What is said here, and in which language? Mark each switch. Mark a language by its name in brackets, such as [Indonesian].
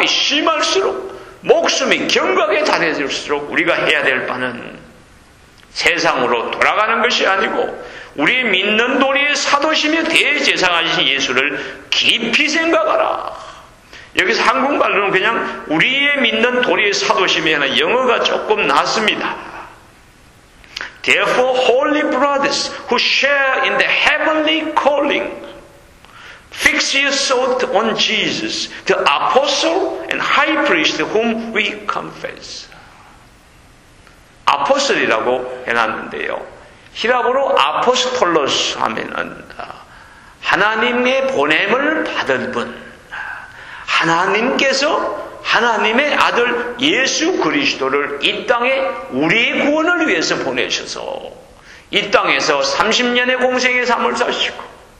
[Korean] 사업이 심할수록 목숨이 경각에 달해질수록 우리가 해야 될 바는 세상으로 돌아가는 것이 아니고 우리 믿는 도리의 사도시며 대제사장이신 예수를 깊이 생각하라. 여기서 한국말로는 그냥 우리의 믿는 도리의 사도시며 영어가 조금 낫습니다. [English] Therefore, holy brothers who share in the heavenly calling, fix your thought on Jesus, the apostle and high priest whom we confess. [Korean] 아포스틀이라고 해놨는데요. 히랍으로 아포스톨로스 하면은 하나님의 보냄을 받은 분, 하나님께서 하나님의 아들 예수 그리스도를 이 땅에 우리의 구원을 위해서 보내셔서 이 땅에서 30년의 공생의 삶을 사시고